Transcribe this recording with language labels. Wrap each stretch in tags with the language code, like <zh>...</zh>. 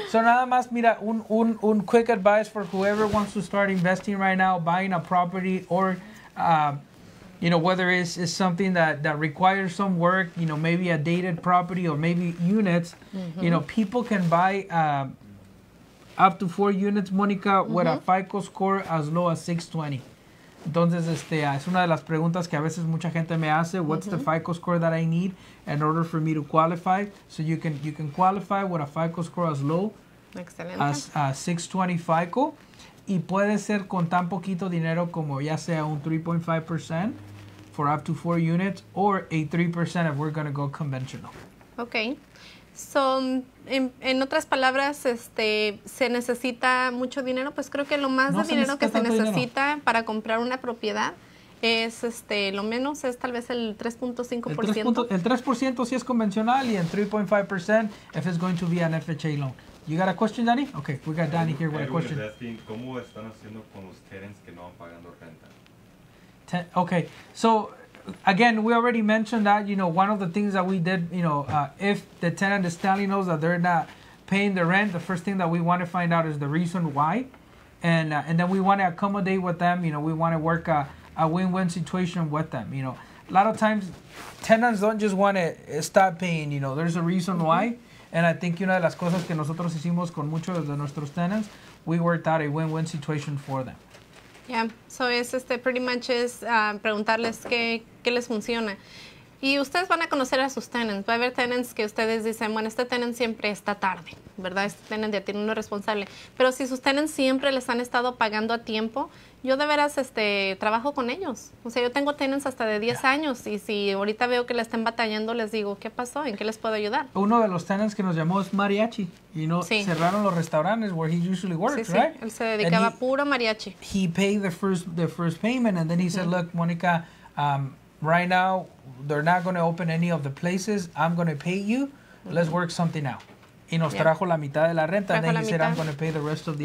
<en>So</en> <es>nada más, mira,</es> <en>un quick advice for whoever wants to start investing right now, buying a property, or you know, whether it's something that requires some work, you know, maybe a dated property or maybe units. Mm-hmm. You know, people can buy up to 4 units, Monica, mm-hmm. with a FICO score as low as 620.</en> <es>Entonces, es una de las preguntas que a veces mucha gente me hace.</es> <en>What's mm-hmm. the FICO score that I need in order for me to qualify? So you can qualify with a FICO score as low</en> <es>Excelente.</es> <en>As 620 FICO.</en> <es>Y puede ser con tan poquito dinero como ya sea</es> <en>un 3.5% for up to 4 units or a 3% if we're going to go conventional. Okay.</en> <es>So, en otras palabras, ¿se necesita mucho dinero? Pues creo que lo más no de dinero que se necesita dinero. Para comprar una propiedad es, lo menos es tal vez el 3.5%. El 3% sí es convencional y el 3.5%</es> <en>if it's going to be an FHA loan. You got a question, Danny? Okay, we got Danny here with a question.</en> <es>¿Cómo están haciendo con los tenants que no van pagando renta?</es> <en>Okay, so... Again, we already mentioned that, you know, one of the things that we did, you know, if the tenant is telling us that they're not paying the rent, the first thing that we want to find out is the reason why. And then we want to accommodate with them, you know, we want to work a win-win situation with them, you know. A lot of times, tenants don't just want to stop paying, you know, there's a reason why. And I think</en> <es>una de las cosas que nosotros hicimos con muchos de nuestros tenants,</es> <en>we worked out a win-win situation for them.</en> <es>Yeah, so es</es> <en>pretty much</en> <es>es preguntarles qué les funciona. Y ustedes van a conocer a sus tenants. Va a haber tenants que ustedes dicen, bueno, este tenant siempre está tarde, ¿verdad? Este tenant ya tiene uno responsable. Pero si sus tenants siempre les han estado pagando a tiempo, yo de veras trabajo con ellos. O sea, yo tengo tenants hasta de 10 yeah. años y si ahorita veo que le están batallando, les digo, ¿qué pasó? ¿En qué les puedo ayudar? Uno de los tenants que nos llamó es mariachi. Y you know, sí. cerraron los restaurantes</es> <en>where he usually works,</en> <es>sí,</es> <en>right?</en> <es>Sí, él se dedicaba a puro mariachi.</es> <en>He paid the first payment and then he said, look, Monica, right now, they're not going to open any of the places. I'm going to pay you. Mm-hmm. Let's work something out.</en> <es>Y nos trajo yeah. la mitad de la renta. Trajo</es> <en>and then he</en> <es>mitad.</es> <en>Said, I'm going to pay the rest of the</en>